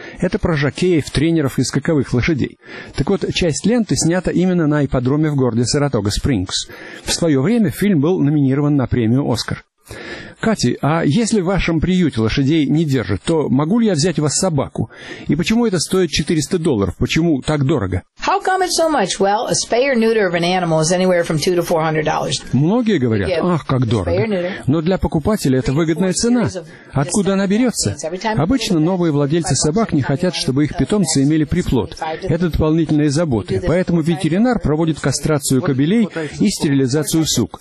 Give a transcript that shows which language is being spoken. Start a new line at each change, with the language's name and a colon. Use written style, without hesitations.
Russian: Это про жокеев, тренеров и скаковых лошадей. Так вот, часть ленты снята именно на ипподроме в городе Саратога-Спрингс. В свое время фильм был номинирован на премию «Оскар». Кати, а если в вашем приюте лошадей не держат, то могу ли я взять у вас собаку? И почему это стоит $400? Почему так дорого?
English: How come it's so much? Well, a spay or neuter of an animal is anywhere from $200 to $400.
Russian: Многие говорят, ах, как дорого. Но для покупателя это выгодная цена. Откуда она берется? Обычно новые владельцы собак не хотят, чтобы их питомцы имели приплод. Это дополнительные заботы. Поэтому ветеринар проводит кастрацию кобелей и стерилизацию сук.